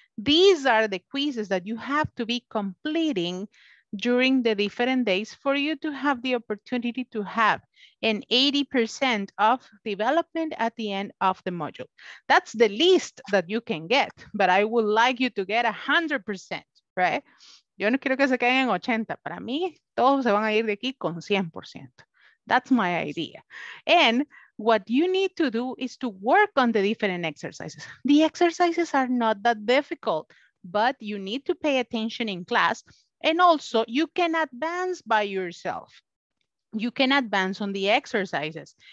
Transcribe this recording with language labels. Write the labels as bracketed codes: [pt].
[en] These are the quizzes that you have to be completing during the different days for you to have the opportunity to have an 80% of development at the end of the module. That's the least that you can get, but I would like you to get 100%, right? [es] Yo no quiero que se queden en 80. Para mí, todos se van a ir de aquí con 100%. [en] That's my idea. And what you need to do is to work on the different exercises. The exercises are not that difficult, but you need to pay attention in class. And also, you can advance by yourself. You can advance on the exercises.